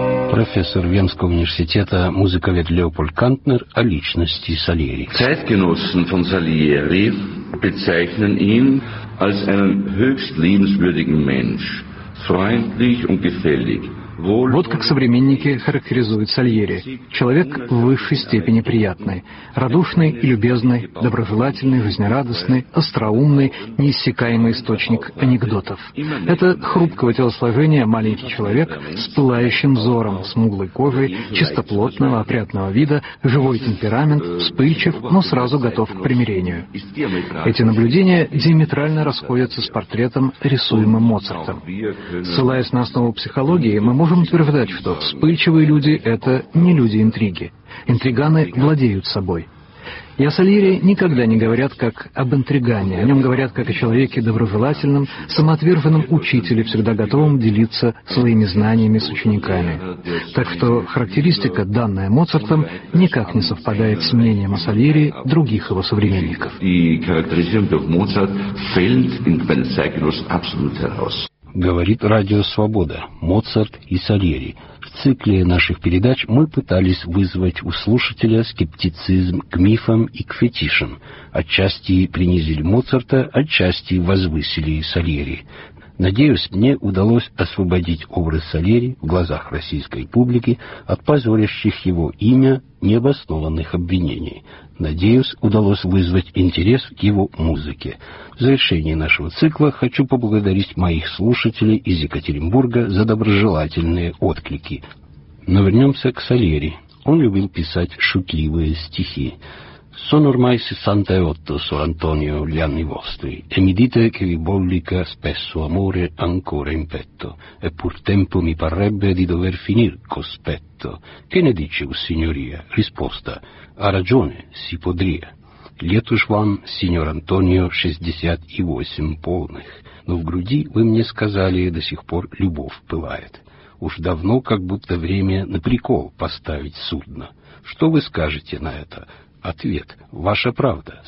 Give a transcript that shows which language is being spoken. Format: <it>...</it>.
<ru>Профессор Венского университета, музыковед Леопольд Кантнер о личности Сальери.</ru> <de>Zeitgenossen von Salieri bezeichnen ihn als einen höchst liebenswürdigen Mensch, freundlich und gefällig.</de> <ru>Вот как современники характеризуют Сальери. Человек в высшей степени приятный. Радушный и любезный, доброжелательный, жизнерадостный, остроумный, неиссякаемый источник анекдотов. Это хрупкого телосложения маленький человек с пылающим взором, смуглой кожей, чистоплотного, опрятного вида, живой темперамент, вспыльчив, но сразу готов к примирению. Эти наблюдения диаметрально расходятся с портретом, рисуемым Моцартом. Ссылаясь на основу психологии, мы можем утверждать, что вспыльчивые люди — это не люди интриги. Интриганы владеют собой. И о Сальери никогда не говорят как об интригане. О нем говорят как о человеке доброжелательном, самоотверженном учителе, всегда готовом делиться своими знаниями с учениками. Так что характеристика, данная Моцартом, никак не совпадает с мнением о Сальери других его современников. И характеристика Моцарта</ru> <de>fällt in den Zeitgenoss absolut heraus.</de> <ru>Говорит радио «Свобода», Моцарт и Сальери. В цикле наших передач мы пытались вызвать у слушателя скептицизм к мифам и к фетишам. Отчасти принизили Моцарта, отчасти возвысили Сальери. Надеюсь, мне удалось освободить образ Сальери в глазах российской публики от позорящих его имя необоснованных обвинений. Надеюсь, удалось вызвать интерес к его музыке. В завершении нашего цикла хочу поблагодарить моих слушателей из Екатеринбурга за доброжелательные отклики. Но вернемся к Сальери. Он любил писать шутливые стихи.</ru> <it>«Sono ormai 68, su Antonio, gli anni vostri, e mi dite che vi bollica spesso amore ancora in petto, e pur tempo mi parrebbe di dover finir cospetto. Che ne dice, o signoria? Risposta, ha ragione, si podria.</it> <ru>Лет уж вам, сеньор Антонио, 68 полных, но в груди, вы мне сказали, до сих пор любовь пылает. Уж давно как будто время на прикол поставить судно. Что вы скажете на это?» Ответ. Ваша правда.</ru>